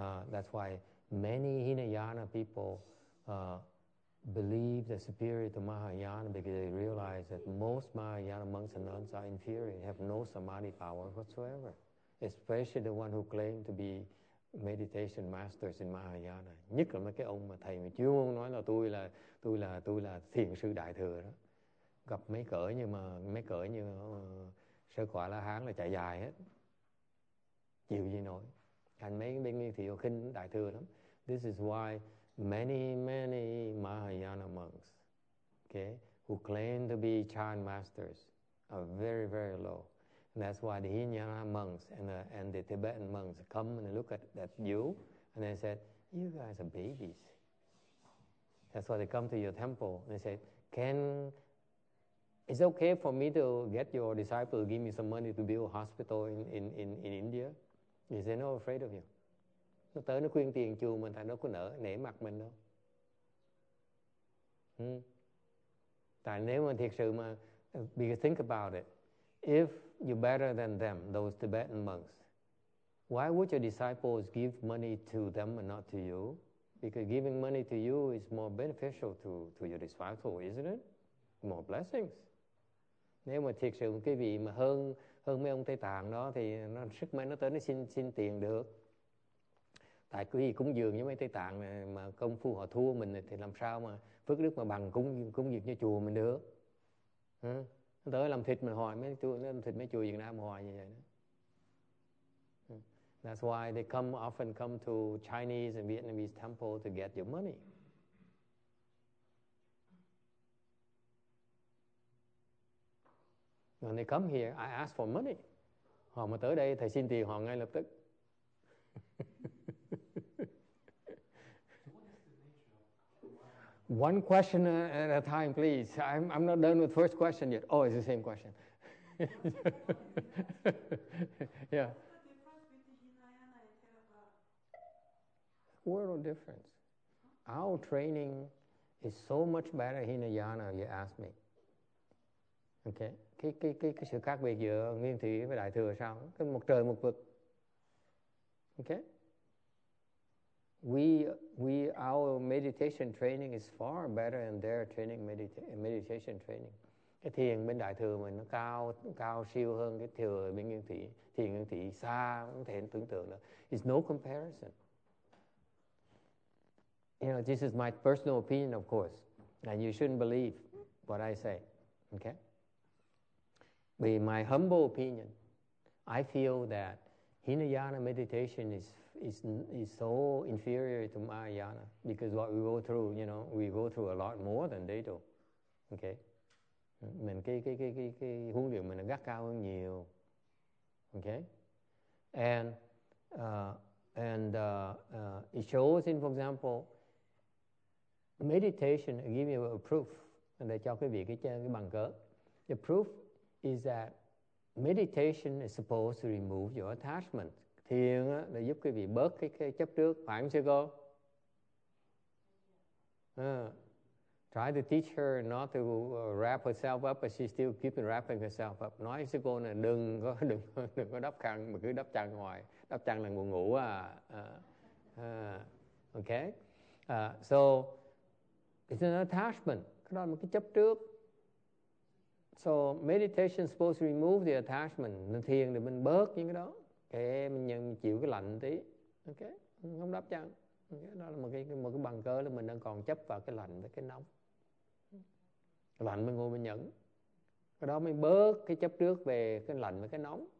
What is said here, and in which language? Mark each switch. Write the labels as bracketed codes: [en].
[en] That's why many Hinayana people believe the superior to Mahayana because they realize that most Mahayana monks and nuns are inferior, have no samadhi power whatsoever. Especially the one who claim to be meditation masters in Mahayana. [vi] Nhất là mấy cái ông mà thầy mà chưa muốn nói là tôi là thiền sư đại thừa đó. Gặp mấy cỡ như mà mấy cỡ như sơ quả la hán là chạy dài hết. Chịu gì nổi. Thành mấy bên nguyên thủy họ khinh đại thừa lắm. [en] This is why many, many Mahayana monks, okay, who claim to be Chan masters are very, very low. And that's why the Hinayana monks and the Tibetan monks come and look at that you and they said, you guys are babies. That's why they come to your temple and they say, is it okay for me to get your disciple to give me some money to build a hospital in India? Is they not afraid of you? [vi] Nó tới nó khuyên tiền chùa mình, tại nó có nể mặt mình đâu. Tại nếu mà thiệt sự mà, [en] because think about it, if you're better than them, those Tibetan monks, why would your disciples give money to them and not to you? Because giving money to you is more beneficial to your disciple, isn't it? More blessings. [vi] Nếu mà thiệt sự cái vị mà hơn mấy ông Tây Tạng đó thì nó sức mạnh nó tới nó xin tiền được. Tại quý vị cúng dường với mấy Tây Tạng này, mà công phu họ thua mình thì làm sao mà phước đức mà bằng cúng dường cho chùa mình được. Nó tới làm thịt mình hỏi mấy chùa Việt Nam hỏi như vậy đó. [en] That's why they often come to Chinese and Vietnamese temple to get your money. When they come here, I ask for money. [vi] Họ mà tới đây, thầy xin tiền họ ngay lập tức. [en] One question at a time, please. I'm not done with first question yet. Oh, it's the same question. Yeah. What's the difference between Hinayana and Theravada? World of difference. Our training is so much better Hinayana, you ask me. Okay. [vi] Cái sự khác biệt giữa nguyên thủy với đại thừa sao? Cái một trời một vực. Okay? [en] Our meditation training is far better than their training meditation training. [vi] Cái thiền bên đại thừa mình nó cao siêu hơn cái thừa bên nguyên thủy. Thiền nguyên thủy xa không thể tưởng tượng được. [en] It's no comparison. You know, this is my personal opinion, of course. And you shouldn't believe what I say. Okay? By my humble opinion, I feel that Hinayana meditation is so inferior to Mahayana because what we go through, you know, we go through a lot more than they do. [vi] Okay, mình cái huấn luyện mình nó gắt cao hơn nhiều. [en] Okay, and it shows in, for example, meditation. I give you a proof, and [vi] để cho quý vị cái bằng cớ, [en] the proof. Is that meditation is supposed to remove your attachment. [vi] Thiền á, là giúp quý vị bớt cái chấp trước. Phải không sư cô? [en] Try to teach her not to wrap herself up, but she's still keeping wrapping herself up. [vi] Nói sư cô là đừng có đắp khăn, mà cứ đắp chăn ngoài. Đắp chăn là buồn ngủ à. Okay? So, [en] It's an attachment. [vi] Cái đó là một cái chấp trước. [en] So meditation is supposed to remove the attachment. [vi] Nên thiền thì mình bớt những cái đó. Okay, mình nhận chịu cái lạnh tí. Ok, không đáp chăng. Okay, đó là một cái bằng cơ là mình đang còn chấp vào cái lạnh với cái nóng. Cái lạnh mình ngồi mình nhận. Cái đó mình bớt cái chấp trước về cái lạnh với cái nóng.